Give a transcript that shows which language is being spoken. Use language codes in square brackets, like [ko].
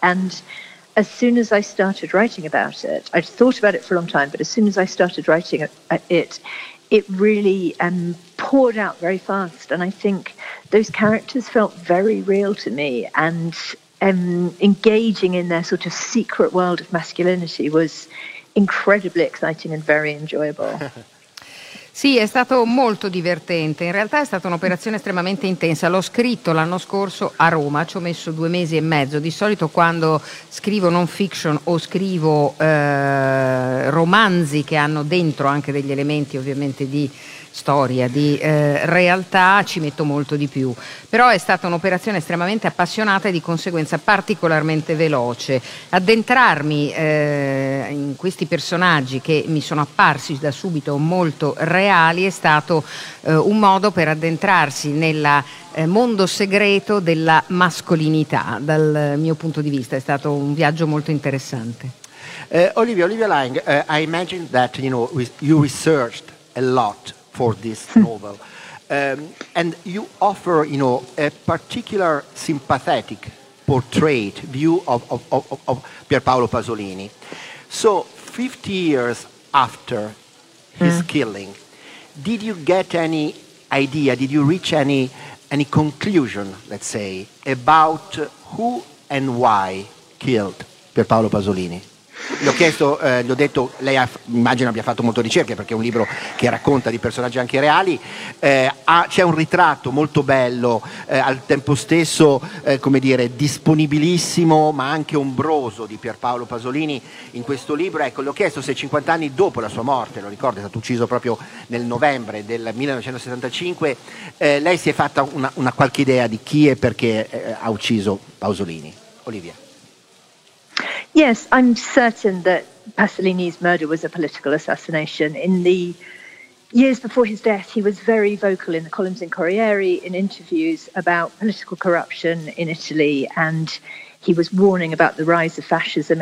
[en] And as soon as I started writing about it, I'd thought about it for a long time, but as soon as I started writing it, it really poured out very fast. And I think those characters felt very real to me, and engaging in their sort of secret world of masculinity was incredibly exciting and very enjoyable. [it] Sì, è stato molto divertente. In realtà è stata un'operazione estremamente intensa. L'ho scritto l'anno scorso a Roma, ci ho messo 2 mesi e mezzo. Di solito quando scrivo non fiction o scrivo romanzi che hanno dentro anche degli elementi ovviamente di storia, di realtà, ci metto molto di più. Però è stata un'operazione estremamente appassionata e di conseguenza particolarmente veloce. Addentrarmi in questi personaggi che mi sono apparsi da subito molto reali è stato un modo per addentrarsi nel mondo segreto della mascolinità. Dal mio punto di vista è stato un viaggio molto interessante. [en] Olivia Lange, I imagine that, you know, you researched a lot for this novel, and you offer, you know, a particular sympathetic portrait view of Pierpaolo Pasolini. So 50 years after his killing, did you get any idea, did you reach any conclusion, let's say, about who and why killed Pierpaolo Pasolini? [it] L'ho chiesto, gli ho detto, lei immagino abbia fatto molto ricerche perché è un libro che racconta di personaggi anche reali, c'è un ritratto molto bello, al tempo stesso, come dire, disponibilissimo ma anche ombroso di Pierpaolo Pasolini in questo libro. Ecco, gli ho chiesto se 50 anni dopo la sua morte, lo ricordo, è stato ucciso proprio nel novembre del 1975, lei si è fatta una qualche idea di chi e perché ha ucciso Pasolini. [en] Olivia. Yes, I'm certain that Pasolini's murder was a political assassination. In the years before his death, he was very vocal in the columns in Corriere, in interviews about political corruption in Italy, and he was warning about the rise of fascism.